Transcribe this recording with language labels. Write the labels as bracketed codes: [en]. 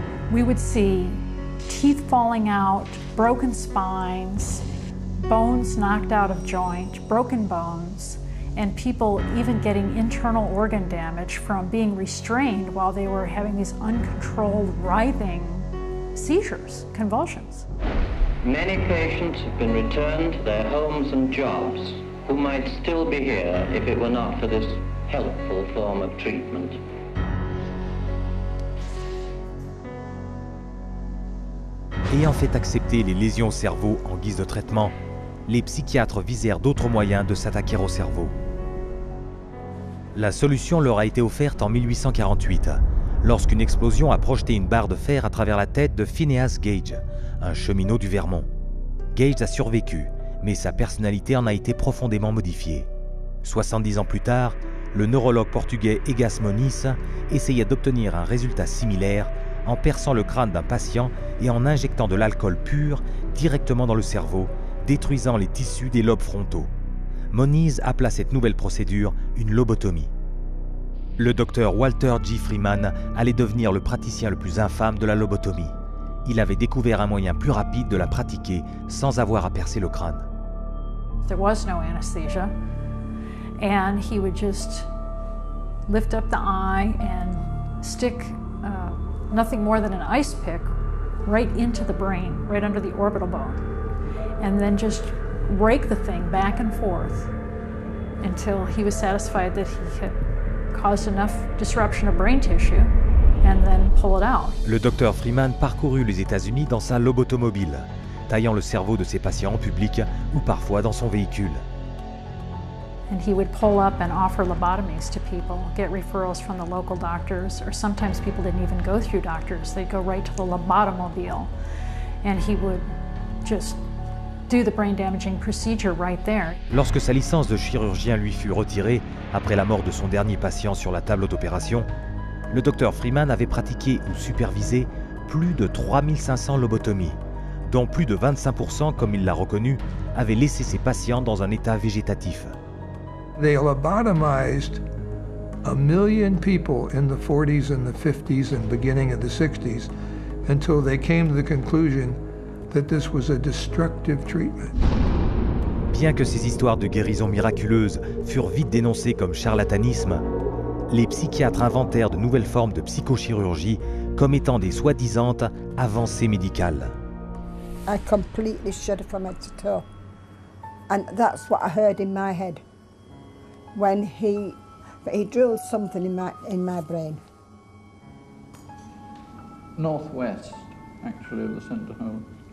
[en] We would see teeth falling out, broken spines, bones knocked out of joint, broken bones, and people even getting internal organ damage from being restrained while they were having these uncontrolled writhing seizures, convulsions. Many patients have been returned to their homes and jobs who might still be here if it were not for this helpful form of treatment. [fr] Ayant fait accepter les lésions au cerveau en guise de traitement, les psychiatres visèrent d'autres moyens de s'attaquer au cerveau. La solution leur a été offerte en 1848, lorsqu'une explosion a projeté une barre de fer à travers la tête de Phineas Gage, un cheminot du Vermont. Gage a survécu, mais sa personnalité en a été profondément modifiée. 70 ans plus tard, le neurologue portugais Egas Moniz essaya d'obtenir un résultat similaire en perçant le crâne d'un patient et en injectant de l'alcool pur directement dans le cerveau, détruisant les tissus des lobes frontaux. Moniz appela cette nouvelle procédure une lobotomie. Le docteur Walter G. Freeman allait devenir le praticien le plus infâme de la lobotomie. Il avait découvert un moyen plus rapide de la pratiquer sans avoir à percer le crâne. [en] There was no anesthesia. And he would just lift up the eye and stick nothing more than an ice pick right into the brain, right under the orbital bone. And then just rake the thing back and forth until he was satisfied that he had caused enough disruption of brain tissue, and then pull it out. [fr] Le docteur Freeman parcourut les États-Unis dans sa lobotomobile, taillant le cerveau de ses patients en public ou parfois dans son véhicule. [en] And he would pull up and offer lobotomies to people, get referrals from the local doctors, or sometimes people didn't even go through doctors, they'd go right to the lobotomobile, and he would just do the brain damaging procedure right there. [fr] Lorsque sa licence de chirurgien lui fut retirée après la mort de son dernier patient sur la table d'opération, le docteur Freeman avait pratiqué ou supervisé plus de 3500 lobotomies, dont plus de 25%, comme il l'a reconnu, avaient laissé ses patients dans un état végétatif. [en] They lobotomized a million people in the 40s and the 50s and beginning of the 60s until they came to the conclusion that this was a destructive treatment. [fr] Bien que ces histoires de guérison miraculeuse furent vite dénoncées comme charlatanisme, les psychiatres inventèrent de nouvelles formes de psychochirurgie comme étant des soi-disant avancées médicales. [en] I completely shuddered from head to toe. And that's what I heard in my head. When he drilled something in my brain. Northwest, actually, of the center home.